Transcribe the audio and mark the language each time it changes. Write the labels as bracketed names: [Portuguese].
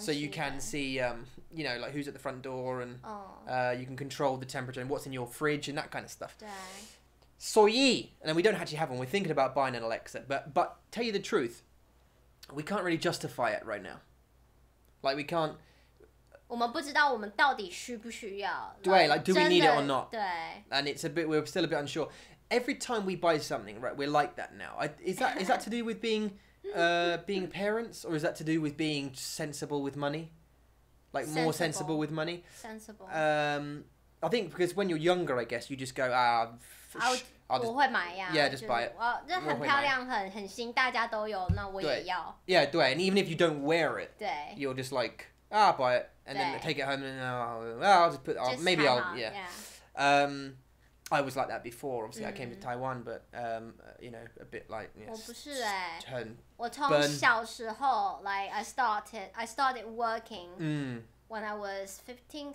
[English] So you can see you know like who's at the front door and you can control the temperature and what's in your fridge and that kind of stuff. So ye, and we don't actually have one. We're thinking about buying an Alexa, but tell you the truth, we can't really justify it right now. Like we can't. [Chinese] 我们不知道我们到底需不需要. 对, [English] like do we need it or not? [Chinese] 对. [English] And it's a bit. We're still a bit unsure. Every time we buy something, right, we're like that now. Is that to do with being parents, or is that to do with being sensible with money? Like, sensible. More sensible with money? Sensible. I think because when you're younger, I guess, you just go, I'll just, [Chinese] 我会买呀, [English] yeah, just buy it. [Chinese] 这很漂亮,很新,大家都有,那我也要。 [English] Yeah, [Chinese] 对, [English] and even if you don't wear it, [Chinese] 对, [English] you're just like, I'll buy it. And then take it home and I'll just put it on. Maybe I'll, yeah. Yeah. I was like that before, obviously, I came to Taiwan, but, you know, a bit like, yes. [Chinese] 我从小时候, [English] like, I started working when I was 15,